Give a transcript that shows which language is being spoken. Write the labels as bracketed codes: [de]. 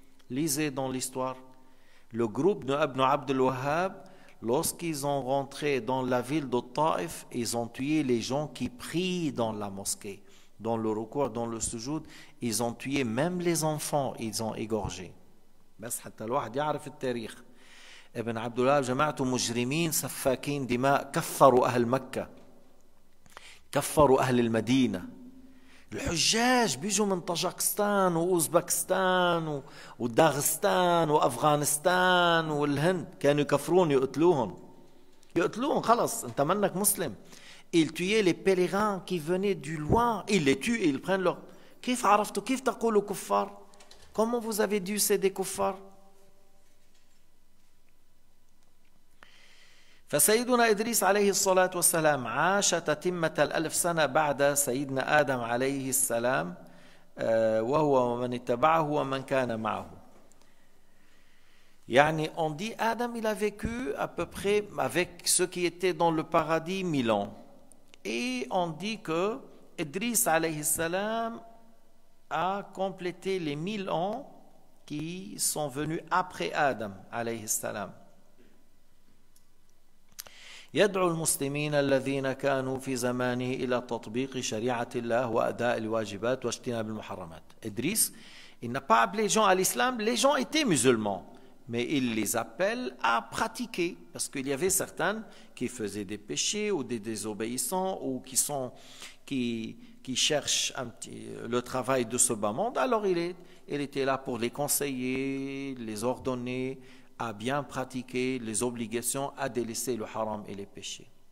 [fr] Lisez dans l'histoire. Le groupe d'Ibn Abd al-Wahhab, lorsqu'ils ont rentré dans la ville de Ta'if, ils ont tué les gens qui prient dans la mosquée, dans le recours, dans le sujoud. Ils ont tué même les enfants, ils ont égorgé. [ar] بس حتى الواحد يعرف التاريخ ابن عبد الله جماعته مجرمين سفاكين دماء كفروا أهل مكة كفروا أهل المدينة الحجاج بيجوا من طاجكستان وأوزبكستان وداغستان وأفغانستان والهند كانوا يكفرون يقتلوهم يقتلوهم خلص انت منك مسلم [fr] ils tuaient les pèlerins qui venaient du loin ils les tuent et ils prennent leur [ar] كيف عرفتوا كيف تقولوا كفار. [fr] Comment vous avez dû ces découffards? [ar] فسيدنا إدريس عليه الصلاة والسلام عاش تتمة الألف سنة بعد سيدنا آدم عليه السلام وهو ومن اتبعه ومن كان معه. [fr] يعني on dit Adam il a vécu à peu près avec ceux qui étaient dans le paradis 1000 ans. Et on dit que إدريس عليه السلام a complété les 1000 ans qui sont venus après Adam alayhi salam. [ar] يدعو المسلمين الذين كانوا في زمانه الى تطبيق شريعه الله واداء الواجبات واجتناب المحرمات. [fr] Idris, il n'a pas appelé les gens à l'islam, les gens étaient musulmans, mais il les appelle à pratiquer, parce qu'il y avait certains qui faisaient des péchés ou des désobéissants ou qui cherche un petit, le travail de ce bas monde, alors il était là pour les conseiller, les ordonner à bien pratiquer les obligations, à délaisser le haram et les péchés.